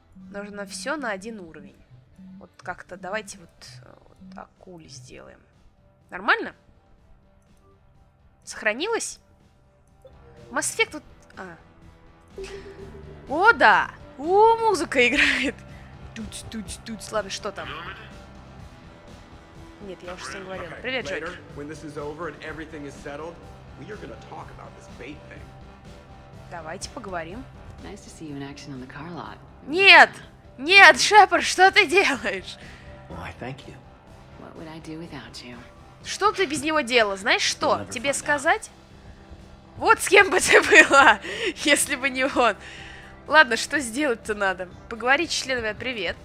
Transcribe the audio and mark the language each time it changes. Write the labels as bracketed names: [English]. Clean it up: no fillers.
[Russian] Нужно все на один уровень. Вот как-то давайте вот акули сделаем. Нормально? Сохранилось? Mass Effect вот... А. О, да! О, музыка играет! Тут-тут-тут, ладно, что там? Нет, я уже с ним говорила. Привет, Джек. [English] When this is over and everything is settled, we are gonna talk about this bait thing. [Russian] Давайте поговорим. [English] Nice to see you in action on the car lot. [Russian] Нет! Нет, Шепард, что ты делаешь? [English] Why, thank you. What would I do without you? [Russian] Что ты без него делала? Знаешь что? Тебе сказать? Вот с кем бы ты была, если бы не он. Ладно, что сделать-то надо? Поговорить с членами, привет.